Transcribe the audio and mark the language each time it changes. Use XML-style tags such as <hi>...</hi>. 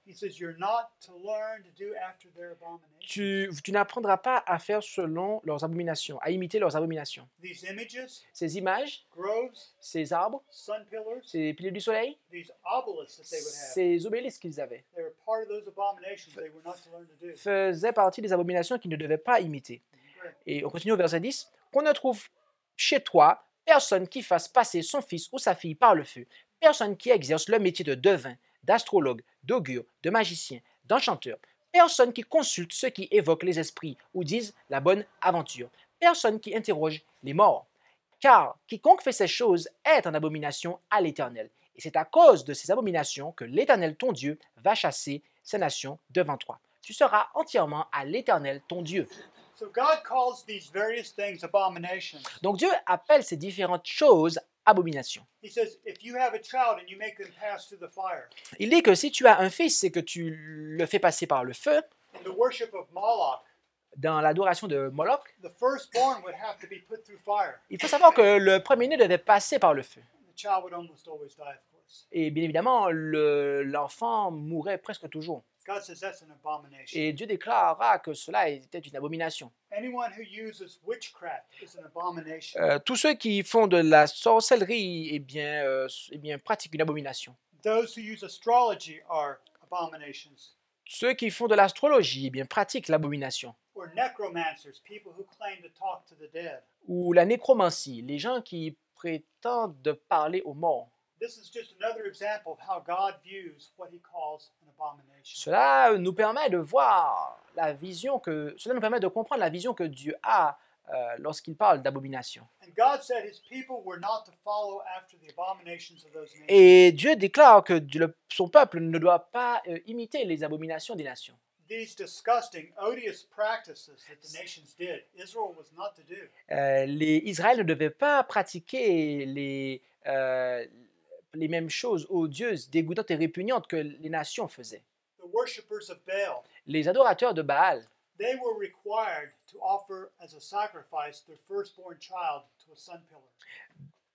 <en>he says, you're not to learn to do after their abominations.</en> <fr>Tu n'apprendras pas à faire selon leurs abominations, à imiter leurs abominations.</fr> <en>These images,</en> <fr>ces images,</fr> <en>groves,</en> <fr>ces arbres,</fr> <en>sun pillars,</en> <fr>ces piliers du soleil,</fr> <en>these obelisks that they would have,</en> <fr>ces obélisques qu'ils avaient,</fr> <en>they were part of those abominations they were not to learn to do.</en> <fr>Faisaient partie des abominations qu'ils ne devaient pas imiter. Et on continue au verset 10. Qu'on ne trouve chez toi personne qui fasse passer son fils ou sa fille par le feu. Personne qui exerce le métier de devin, d'astrologue, d'augure, de magicien, d'enchanteur. Personne qui consulte ceux qui évoquent les esprits ou disent la bonne aventure. Personne qui interroge les morts. Car quiconque fait ces choses est en abomination à l'Éternel. Et c'est à cause de ces abominations que l'Éternel ton Dieu va chasser ces nations devant toi. Tu seras entièrement à l'Éternel ton Dieu.</fr> <en>So God calls these various things abominations.</en> <fr>Donc Dieu appelle ces différentes choses abomination.</fr> <en>He says, if you have a child and you make them pass through the fire.</en> <fr>Il dit que si tu as un fils et que tu le fais passer par le feu,</fr> <en>in the worship of Moloch,</en> <fr>dans l'adoration de Moloch,</fr> <en>the firstborn would have to be put through fire.</en> <fr>Il faut savoir que le premier-né devait passer par le feu.</fr> <en>The child would almost always die, of course.</en> <fr>Et bien évidemment, l'enfant mourrait presque toujours.</fr> <en>God says that's an abomination.</en> <fr>Et Dieu déclarera que cela était une abomination.</fr> <en>Anyone who uses witchcraft is an abomination.</en> <fr>Tous ceux qui font de la sorcellerie, eh bien pratiquent une abomination.</fr> <en>Those who use astrology are abominations.</en> <fr>Ceux qui font de l'astrologie, eh bien pratiquent l'abomination.</fr> <en>Or necromancers, people who claim to talk to the dead.</en> <fr>Ou la nécromancie, les gens qui prétendent de parler aux morts.</fr> <en>This is just another example of how God views what he calls an abomination.</en> <fr>Cela nous permet de voir la vision que cela nous permet de comprendre la vision que Dieu a lorsqu'il parle d'abomination.</fr> <en>And God said his people were not to follow after the abominations of those nations.</en> <fr>Et Dieu déclare que son peuple ne doit pas imiter les abominations des nations.</fr> <en>These disgusting, odious practices that the nations did, Israel was not to do.</en> <fr>Les Israël ne devaient pas pratiquer les mêmes choses odieuses, dégoûtantes et répugnantes que les nations faisaient.</fr> <en>The worshippers of Baal,</en> <fr>les adorateurs de Baal,</fr> <en>they were required to offer as a sacrifice their firstborn child to a sun pillar.</en>